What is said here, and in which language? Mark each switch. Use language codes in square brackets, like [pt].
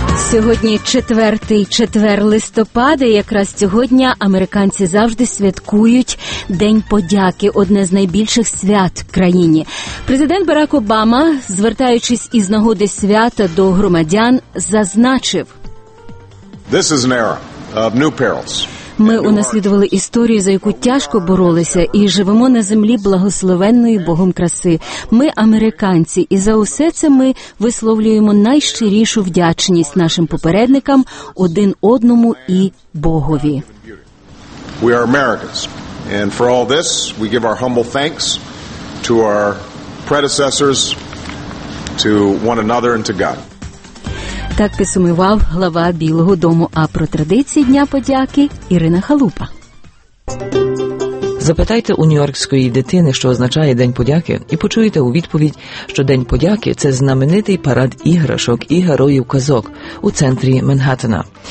[uk] Сьогодні 4 листопада, якраз сьогодні американці завжди святкують День подяки, одне з найбільших свят в країні. Президент Барак Обама, звертаючись із нагоди свята до громадян, зазначив: [en] This is an era of new perils. [uk] Ми унаслідували історію, за яку тяжко боролися, і живемо на землі благословенної Богом краси. Ми американці, і за усе це ми висловлюємо найщирішу вдячність нашим попередникам, один одному і Богові. [en] We are Americans, and for all this, we give our humble thanks to our predecessors, to one another and to God. [uk] Так підсумував глава Білого дому. А про традиції Дня подяки – Ірина Халупа. Запитайте у нью-йоркської дитини, що означає День подяки, і почуєте у відповідь, що День подяки – це знаменитий парад іграшок і героїв казок у центрі Менгаттена.